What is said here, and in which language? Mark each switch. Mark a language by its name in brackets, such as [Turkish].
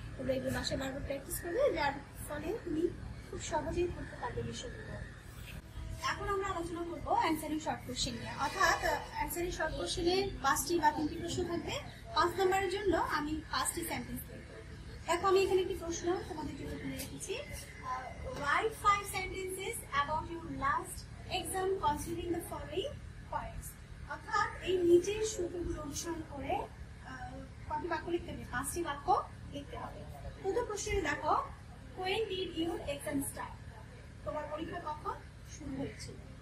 [Bangla] তোমরা এগুলো মাসে বারবার প্র্যাকটিস করবে, যার ফলে তুমি খুব সহজেই করতে পারবে বিষয়গুলো। এখন আমরা আলোচনা করবো অ্যান্সারিং শর্ট কোশ্চেন নিয়ে, অর্থাৎ অ্যান্সারিং শর্ট কোশ্চেনে পাঁচটি বা তিনটি প্রশ্ন থাকবে। পাঁচ নম্বরের জন্য আমি পাঁচটি স্যাম্পল দেবো। দেখো, আমি এখানে একটি প্রশ্ন তোমাদের জন্য তুলে রেখেছি। [English] Write five sentences about your last exam considering the following points. [Bangla] অর্থাৎ এই নিচের সূত্রগুলো অনুসরণ করে কয়টি বাক্য লিখতে হবে, পাঁচটি বাক্য লিখতে হবে। প্রথম প্রশ্নে দেখো, [English] when did your exam start? [Bangla] তোমার পরীক্ষা কখন শুরু হয়েছিল?